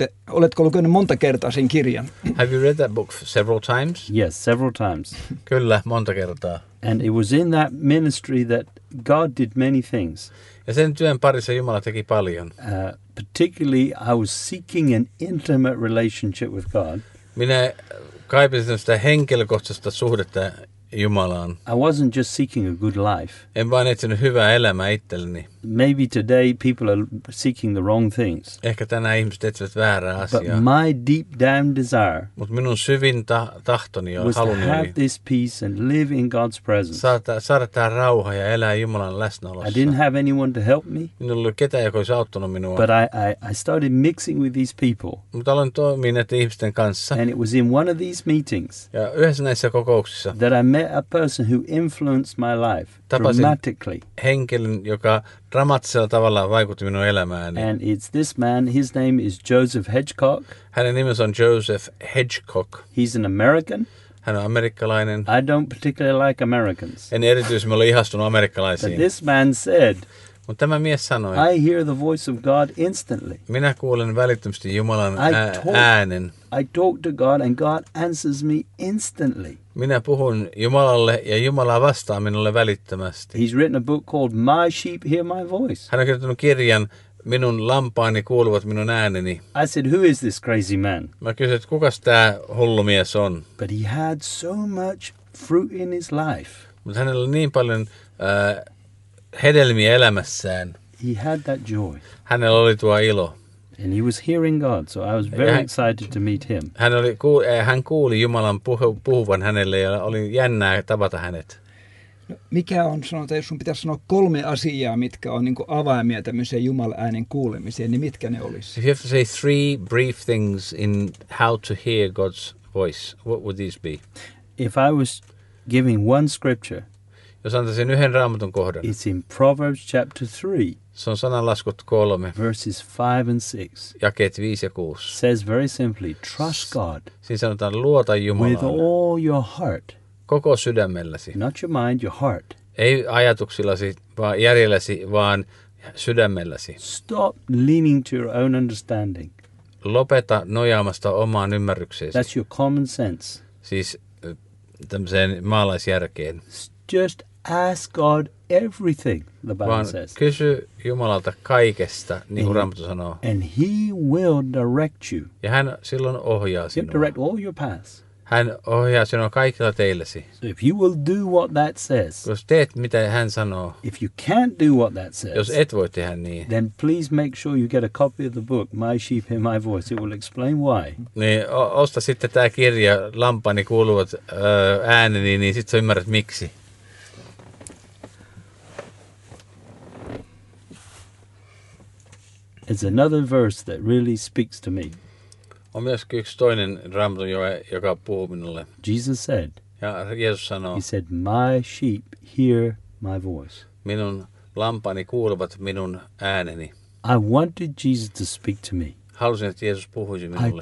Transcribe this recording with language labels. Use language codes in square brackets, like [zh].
[fi] Oletko lukenut monta kertaa sen kirjan? [en] Have you read that book several times? Yes, several times. [fi] Kyllä, monta kertaa. [en] And it was in that ministry that God did many things. [fi] Ja sen työn parissa Jumala teki paljon. [en] Particularly I was seeking an intimate relationship with God. [fi] Minä kaipasin sitä henkilökohtaista suhdetta Jumalaan. [en] I wasn't just seeking a good life. [fi] En vain etsinyt hyvää elämää itselleni. [en] Maybe today people are seeking the wrong things. [fi] Ehkä tänään ihmiset etsivät väärää asiaa. [en] But my deep down desire. [fi] Mut minun syvin tahtoni ja haluni. [en] Have this peace and live in God's presence. [fi] Saada tämä rauha ja elää Jumalan läsnäolossa. [en] I didn't have anyone to help me. [fi] Minulla ei ollut ketään, joka olisi auttanut minua. [en] But I started mixing with these people. [fi] Mut aloin toimia näiden ihmisten kanssa. [en] And it was in one of these meetings. [fi] Ja yhdessä näissä kokouksissa. [en] That I met a person who influenced my life dramatically. [fi] Tapasin henkilön, joka dramaattisella tavalla vaikutti minun elämääni. [en] And it's this man, his name is Joseph Hedgecock. [fi] Hänen nimensä on Joseph Hedgecock. [en] He's an American. [fi] Hän on amerikkalainen. [en] I don't particularly like Americans. [fi] En erityisesti ole ihastunut amerikkalaisiin. [en] But this man said, [fi] Mutta tämä mies sanoi. [en] I hear the voice of God instantly. [fi] Minä kuulen välittömästi Jumalan äänen. [en] I talk to God and God answers me instantly. [fi] Minä puhun Jumalalle ja Jumala vastaa minulle välittömästi. [en] He's written a book called My Sheep Hear My Voice. [fi] Hän on kirjoittanut kirjan Minun lampaani kuuluvat minun ääneni. [en] I said, who is this crazy man? [fi] Mä kysyin, että kukas tämä hullu mies on? [en] But he had so much fruit in his life. [fi] Mutta hänellä oli niin paljon hedelmiä elämässään. [en] He had that joy. [fi] Hänellä oli tuo ilo. [en] And he was hearing God, so I was very excited to meet him. [fi] Hän kuuli Jumalan puhuvan hänelle ja oli jännää tavata hänet. No, mikä on, sanotaan, jos sun pitäisi sanoa kolme asiaa, mitkä on niin kuin avaimia tämmöiseen Jumalan äänen kuulemiseen, niin mitkä ne olisi? [en] If you have to say three brief things in how to hear God's voice, what would these be? If I was giving one scripture, [fi] jos antaisin yhden raamatun kohdan. [en] It's in Proverbs chapter 3. [fi] Se on sananlaskut 3. [en] Verses 5 and 6. [fi] Jakeet 5 ja 6. [en] Says very simply, trust God. [fi] Siinä sanotaan, luota Jumalalle. [en] With all your heart. [fi] Koko sydämelläsi. [en] Not your mind, your heart. [fi] Ei ajatuksillasi, vaan järjelläsi, vaan sydämelläsi. [en] Stop leaning to your own understanding. [fi] Lopeta nojaamasta omaan ymmärrykseesi. [en] That's your common sense. [fi] Siis tämmöiseen maalaisjärkeen. [en] Just ask God everything, the Bible [fi] vaan [en] says. [fi] Kysy Jumalalta kaikesta, niin kuin Raamattu sanoo. [en] And he will direct you. [fi] Ja hän silloin ohjaa sinua. [en] He'll direct all your paths. [fi] Hän ohjaa sinua kaikilla teillesi. [en] So if you will do what that says. [fi] Jos teet mitä hän sanoo. [en] If you can't do what that says. [fi] Jos et voi tehdä niin. [en] Then please make sure you get a copy of the book My Sheep Hear My Voice. It will explain why. [fi] Niin osta sitten tämä kirja Lampaani kuuluvat ääneni, niin sitten sä ymmärrät miksi. [en] It's another verse that really speaks to me. [fi] On myöskin yksi toinen raamatun jae, joka puhuu minulle. [en] Jesus said. [fi] Ja Jeesus sanoo. [en] He said, "My sheep hear my voice." [fi] Minun lampani kuuluvat minun ääneni. [en] I wanted Jesus to speak to me. [fi] Halusin, että Jeesus puhuisi minulle.